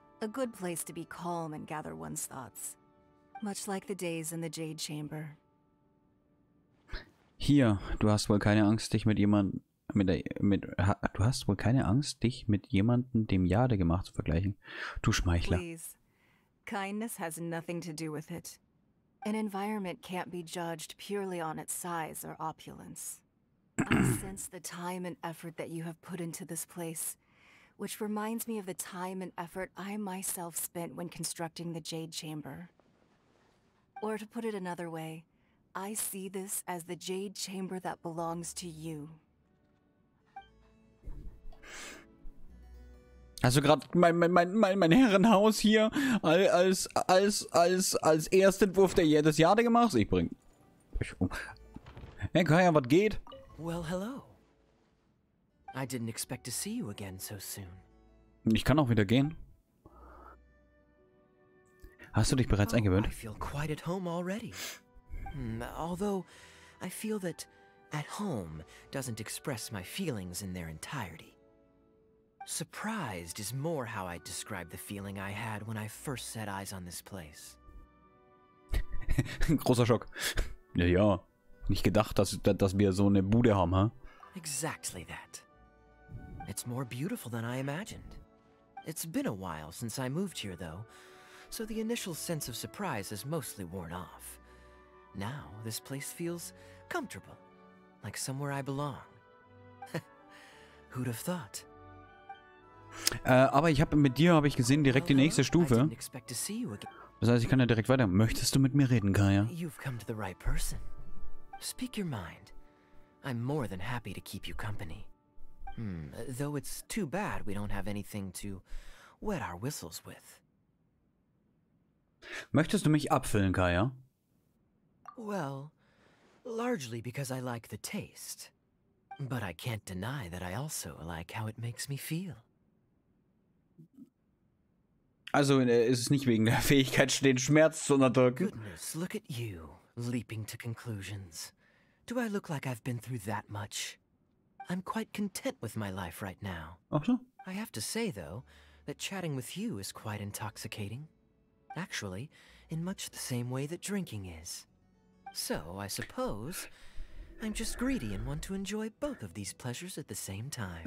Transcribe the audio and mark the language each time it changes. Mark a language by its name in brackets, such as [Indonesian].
[English] A good place to be calm and gather one's thoughts. Much like the days in the Jade Chamber. [German] Hier, du hast wohl keine Angst, dich du hast wohl keine Angst, dich mit jemandem, dem Jade gemacht, zu vergleichen. Du Schmeichler. [English] Please. Kindness has nothing to do with it. An environment can't be judged purely on its size or opulence. I sense the time and effort that you have put into this place, which reminds me of the time and effort I myself spent when constructing the Jade Chamber. Or to put it another way, I see this as the Jade Chamber that belongs to you. [German] Also gerade mein Herrenhaus hier als Erstentwurf der Jade gemacht. Ich bring Hey Kaya, was geht? [English] Well, hello. I didn't expect to see you again so soon. [German] Ich kann auch wieder gehen. Hast du dich bereits eingewöhnt? [English] I feel quite at home already. Although I feel that at home doesn't express my feelings in their entirety. Surprised is more how I describe the feeling I had when I first set eyes on this place. [German] Großer Schock. Ja, ja. Nicht gedacht, dass wir so eine Bude haben, hä? [English] Exactly that. It's more beautiful than I imagined. It's been a while since I moved here, though, so the initial sense of surprise has mostly worn off. Now, this place feels comfortable, like somewhere I belong. Who'd have thought? [German] Aber ich habe mit dir, habe ich gesehen, direkt die nächste Stufe. Das heißt, ich kann ja direkt weiter. Möchtest du mit mir reden, Kaya? [English] You've come to the right person. Speak your mind. I'm more than happy to keep you company. Though it's too bad we don't have anything to wet our whistles with. [German] Möchtest du mich abfüllen, Kaya? [English] Well, largely because I like the taste. But I can't deny that I also like how it makes me feel. [German] Also, ist es nicht wegen der Fähigkeit, den Schmerz zu unterdrücken? [English] Goodness, look at you, leaping to conclusions. Do I look like I've been through that much? I'm quite content with my life right now. [German] Ach so. [English] I have to say, though, that chatting with you is quite intoxicating. Actually, in much the same way that drinking is. So, I suppose, I'm just greedy and want to enjoy both of these pleasures at the same time.